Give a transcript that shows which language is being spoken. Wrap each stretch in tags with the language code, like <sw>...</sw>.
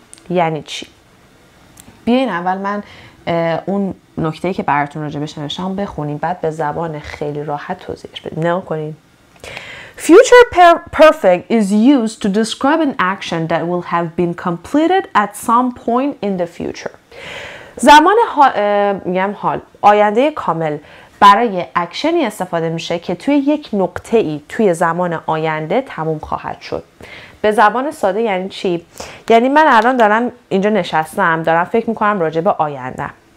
<fa>یعنی چی؟ بیاین اول من اون نکته‌ای که براتون راجع بهش نوشتم بخونیم، بعد به زبان خیلی راحت توضیحش بدیم. نگاه کنین.</fa> <en>Future perfect is used to describe an action that will have been completed at some point in the future.</en> <fa>زمان میگم حال، آینده کامل برای اکشنی استفاده میشه که توی یک نقطه‌ای توی زمان آینده تموم خواهد شد. به زبان ساده یعنی چی؟ یعنی من الان دارم اینجا نشستم، دارم فکر میکنم راجع به آینده.</fa>